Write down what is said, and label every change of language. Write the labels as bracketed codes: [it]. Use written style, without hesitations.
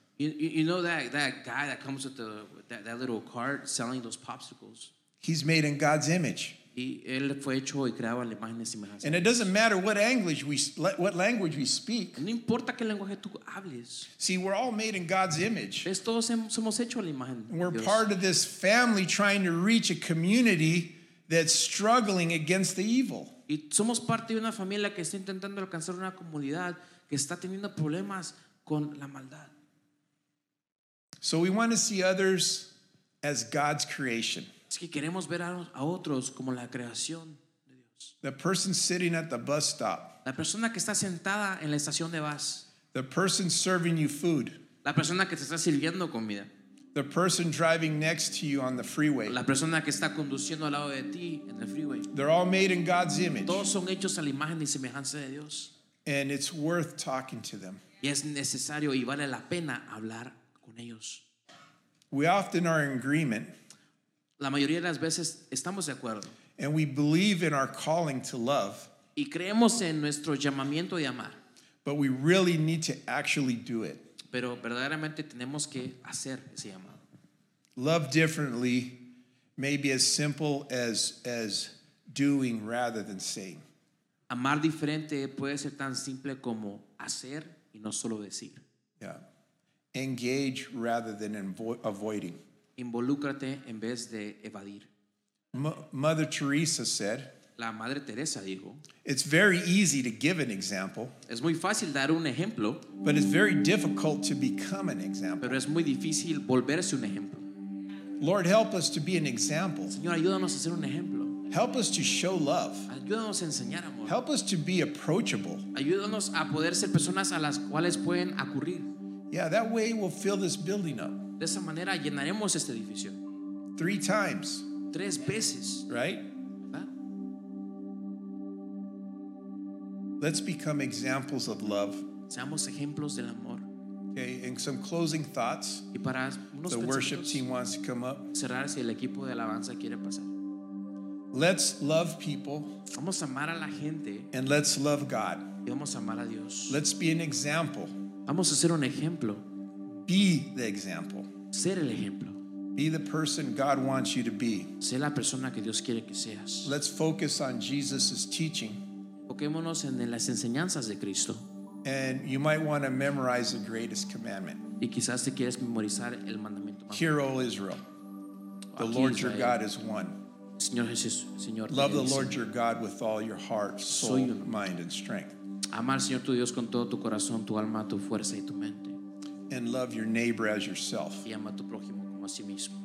[en] You know that guy that comes with that little cart selling those popsicles? He's made in God's image. [es] Y él fue hecho y creado en la imagen y semejanza. [en] And it doesn't matter what language we speak. [es] No importa qué lenguaje tú hables. [en] See, we're all made in God's image. [es] Es todos somos hechos en la imagen de Dios. [en] We're part of this family trying to reach a community that's struggling against the evil. [es] Y somos parte de una familia que está intentando alcanzar una comunidad que está teniendo problemas con la maldad. [en] So we want to see others as God's creation. [es] Es que queremos ver a otros como la creación de Dios. [en] The person sitting at the bus stop. [es] La persona que está sentada en la estación de bus. [en] The person serving you food. [es] La persona que te está sirviendo comida. [en] The person driving next to you on the freeway. [es] La persona que está conduciendo al lado de ti en el freeway. [en] They're all made in God's image. [es] Todos son hechos a la imagen y semejanza de Dios. [en] And it's worth talking to them. [es] Y es necesario y vale la pena hablar con ellos. [en] We often are in agreement. [es] La mayoría de las veces estamos de acuerdo. [en] And we believe in our calling to love. [es] Y creemos en nuestro llamamiento de amar. [en] But we really need to actually do it. [es] Pero verdaderamente tenemos que hacer ese llamado. [en] Love differently may be as simple as doing rather than saying. [es] Amar diferente puede ser tan simple como hacer y no solo decir. [en] Yeah. Engage rather than avoiding. [es] Involúcrate en vez de evadir. [en] Mother Teresa said, [es] la Madre Teresa dijo, [en] it's very easy to give an example. [es] Es muy fácil dar un ejemplo. [en] But it's very difficult to become an example. [es] Pero es muy difícil volverse un ejemplo. [en] Lord, help us to be an example. [es] Señor, ayúdanos a ser un ejemplo. [en] Help us to show love. [es] Ayúdanos a enseñar amor. [en] Help us to be approachable. [es] Ayúdanos a poder ser personas a las cuales pueden acudir. [en] Yeah, that way we'll fill this building up. [es] De esa manera llenaremos este edificio. [en] Three times. [es] Tres veces. [en] Right? Let's become examples of love. [es] Seamos ejemplos del amor. [en] Okay, and some closing thoughts. [es] Y para unos [en] the worship team wants to come up. [es] Cerrar si el equipo de alabanza quiere pasar. [en] Let's love people. [es] Vamos a amar a la gente. [en] And let's love God. [es] Y vamos a amar a Dios. [en] Let's be an example. [es] Vamos a ser un ejemplo. [en] Be the example. [es] Ser el ejemplo. [en] Be the person God wants you to be. [es] Sé la persona que Dios quiere que seas. [en] Let's focus on Jesus's teaching. [es] Enfoquémonos en las enseñanzas de Cristo. [en] And you might want to memorize the greatest commandment. [es] Y quizás te quieres memorizar el mandamiento más. [en] Hear, O Israel, the [es] aquí [en] Lord [es] Israel, [en] your God is one. [es] Señor Jesús, Señor. [en] Love the Lord your God with all your heart, soul, mind, and strength. [es] Ama al Señor tu Dios con todo tu corazón, tu alma, tu fuerza y tu mente. [en] And love your neighbor as yourself. [es] Y ama a tu prójimo como a sí mismo.